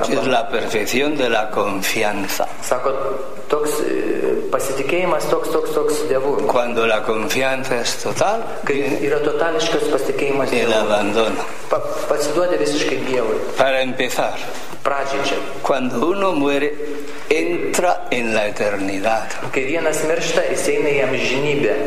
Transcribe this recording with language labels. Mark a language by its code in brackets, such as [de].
[es] Es la perfección de la confianza. [lt] Sako, toks pasitikėjimas, toks Dievu. [es] Cuando la confianza es total, [lt] yra totališkas pasitikėjimas Dievu. [es] El abandono. [lt] Pasiduoti visiškai Dievui. [es] Para empezar. [lt] Pradžičia. [es] Cuando uno muere, entra en la eternidad. [lt] Kai vienas miršta, jis eina į amžinybę.